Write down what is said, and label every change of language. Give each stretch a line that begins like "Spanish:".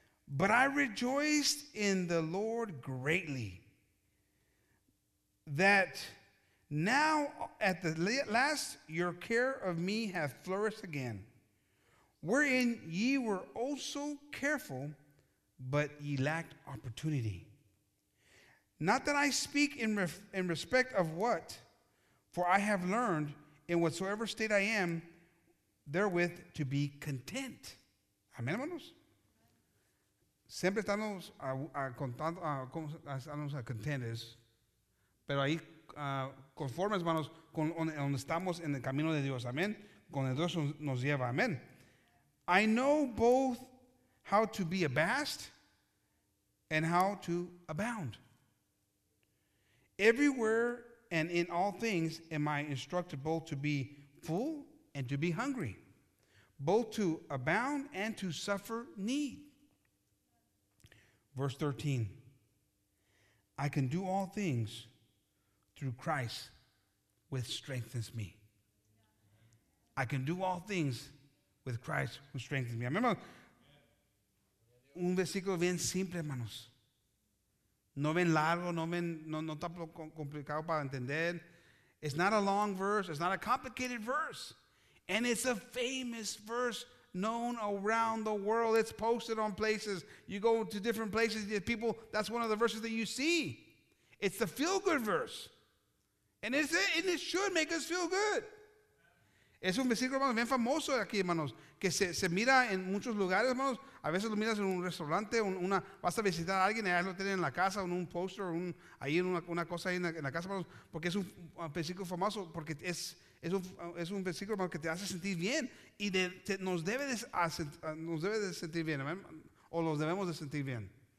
English: But I rejoiced in the Lord greatly that now at the last your care of me hath flourished again, wherein ye were also careful, but ye lacked opportunity. Not that I speak in respect of what, for I have learned in whatsoever state I am therewith to be content.
Spanish: Amen, hermanos. Siempre estamos a contentes, pero ahí conformes, hermanos, con donde estamos en el camino de Dios. Amén. Con el Dios nos lleva. Amén.
English: I know both how to be abashed and how to abound. Everywhere and in all things am I instructed both to be full and to be hungry, both to abound and to suffer need. Verse 13. I can do all things through Christ, which strengthens me. I can do all things with Christ, who strengthens me.
Spanish: Remember, un versículo bien simple, hermanos. No ven largo, no ven, no tan complicado para entender.
English: It's not a long verse. It's not a complicated verse. And it's a famous verse known around the world. It's posted on places. You go to different places, people, that's one of the verses that you see. It's the feel-good verse. And it's it, and it should make us feel good.
Spanish: Es un versículo bien famoso aquí, hermanos, que se mira en muchos lugares, hermanos. A veces lo miras en un restaurante, vas a visitar a alguien y ahí lo tienen en la casa, en un póster, ahí en una cosa ahí en la casa, hermanos, porque es un versículo famoso, porque es un versículo, hermanos, que te hace sentir bien y nos debe de sentir bien, o los debemos de sentir bien.